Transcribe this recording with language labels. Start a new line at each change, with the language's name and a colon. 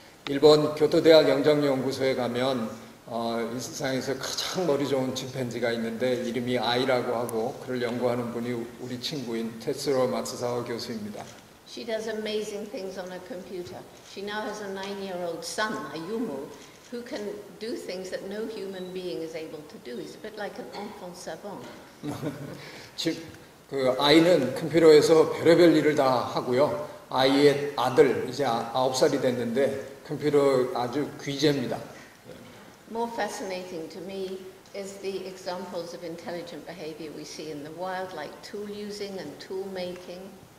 Korean: 일본 교토대학 영장연구소에 가면 이 세상에서 가장 머리 좋은 침팬지가 있는데 이름이 아이라고 하고 그를 연구하는 분이 우리 친구인 테츠로 마츠사와 교수입니다.
English: She does amazing things on her computer. She now has a 9-year-old son, Ayumu, who can do things that no human being is able to do. He's a bit like an enfant savant.
Korean: 그 아이는 컴퓨터에서 별의별 일을 다 하고요. 아이의 아들 이제 9살이 됐는데 컴퓨터 아주 귀재입니다.
English: More fascinating to me is the examples of intelligent behavior we see in the wild like tool using and tool making.